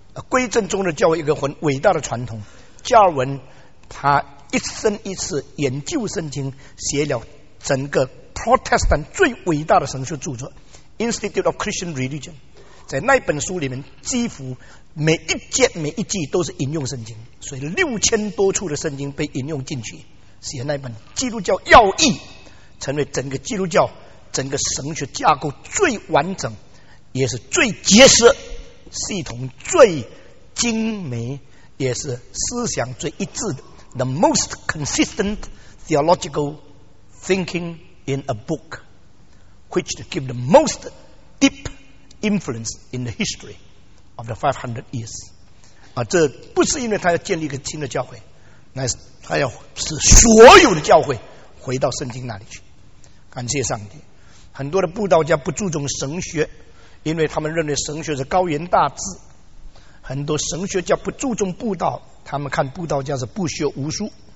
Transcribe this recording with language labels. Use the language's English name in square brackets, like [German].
[Chinese] 归正中的教会一个很伟大的传统，加尔文他一生一世研究圣经，写了整个 Protestant 最伟大的神学著作 Institute of Christian Religion， 在那本书里面几乎每一节每一季都是引用圣经，所以六千多处的圣经被引用进去，写那本基督教要义，成为整个基督教整个神学架构最完整也是最结实，系统最精美，也是思想最一致的。 [English] The most consistent theological thinking in a book, which give the most deep influence in the history of the 500 years. [Chinese] 啊，这不是因为他要建立一个新的教会，乃是他要使所有的教会回到圣经那里去。感谢上帝，很多的布道家不注重神学，因为他们认为神学是高言大志。很多神学家不注重布道，他们看布道家是不学无术。